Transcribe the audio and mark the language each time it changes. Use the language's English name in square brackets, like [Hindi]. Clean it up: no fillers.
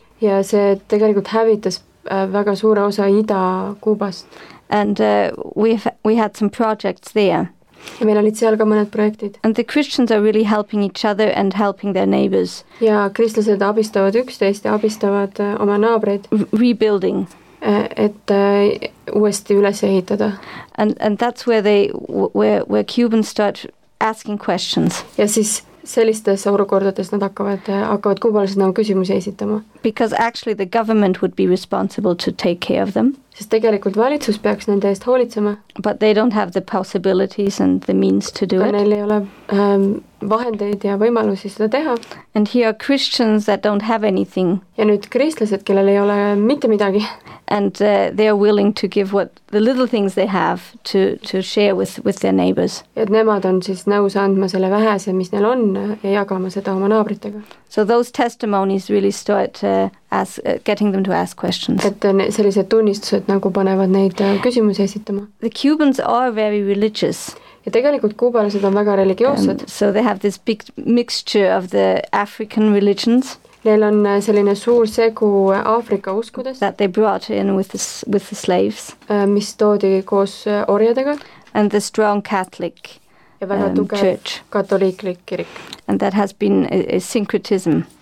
[Estonian] Ja see tegelikult hävitas väga suure osa Ida-Kuubast. [English] And we had some projects there. [Estonian] Ja meil olid seal ka mõned projektid. [English] And the Christians are really helping each other and helping their neighbors. [Estonian] Ja kristlased abistavad üksteist ja abistavad oma naabreid. [English] Rebuilding. [Estonian] Et uuesti üles ehitada. [English] And that's where Cubans start asking questions. [Estonian] Ja siis sellistes olukordades nad hakkavad kuubalased nagu küsimusi esitama. [English] Because actually the government would be responsible to take care of them. [Estonian] Sest tegelikult valitsus peaks nende eest hoolitsema. [English] But they don't have the possibilities and the means to do it. [Estonian] Neil ei ole vahendeid ja võimalusi seda teha. [English] And here are Christians that don't have anything. [Estonian] Ja nüüd kristlased, kellel ei ole mitte midagi. [English] And they are willing to give what the little things they have to share with their neighbors. [Estonian] Et nemad on siis nõus andma selle vähese, mis neil on, ja jagama seda oma naabritega. [English] So those testimonies really start getting them to ask questions. [Estonian] Et sellised tunnistused nagu panevad neid küsimusi esitama. [English] The Cubans are very religious. [Estonian] Ja tegelikult kuubalased on väga religioossed. [English] So they have this big mixture of the African religions. [Estonian] Neil on selline suur segu Aafrika uskudes. [English] That they brought in with the slaves. [Estonian] Mis toodi koos orjadega. [English] And the strong Catholic church. [Estonian] Ja väga tugev katoliiklik kirik. [English] And that has been a syncretism.